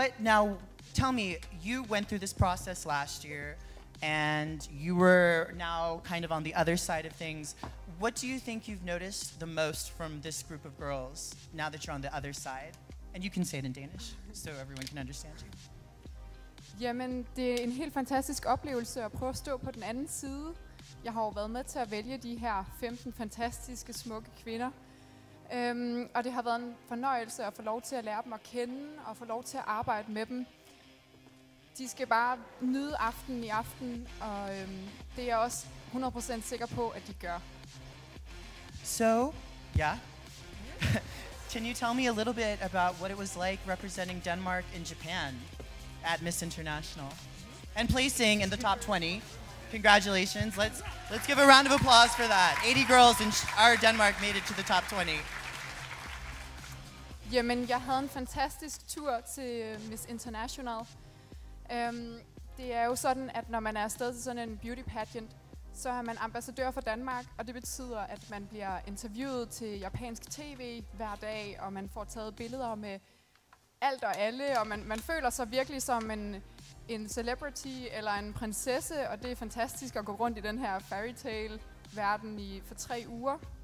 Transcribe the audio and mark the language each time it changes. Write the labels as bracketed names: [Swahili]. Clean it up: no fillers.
[English] Now, tell me, you went through this process last year, and you were now kind of on the other side of things. What do you think you've noticed the most from this group of girls now that you're on the other side? And you can say it in Danish so everyone can understand you. [Danish] Jamen, det er en helt fantastisk oplevelse at prøve at stå på den anden side. Jeg har jo været med til at vælge de her 15 fantastiske, smukke kvinder. Og det har været en fornøjelse at få lov til at lære dem at kende og få lov til at arbejde med dem. De skal bare nyde aftenen i aften, og det er jeg også 100% sikker på, at de gør. [English] So, yeah. Can you tell me a little bit about what it was like representing Denmark in Japan at Miss International? And placing in the top 20. Congratulations. Let's give a round of applause for that. 80 girls in our Denmark made it to the top 20. [Danish] Jamen, jeg havde en fantastisk tur til Miss International. Det er jo sådan, at når man er afsted til sådan en beauty pageant, så er man ambassadør for Danmark, og det betyder, at man bliver interviewet til japansk tv hver dag, og man får taget billeder med alt og alle, og man føler sig virkelig som en celebrity eller en prinsesse, og det er fantastisk at gå rundt i den her fairytale-verden for 3 uger.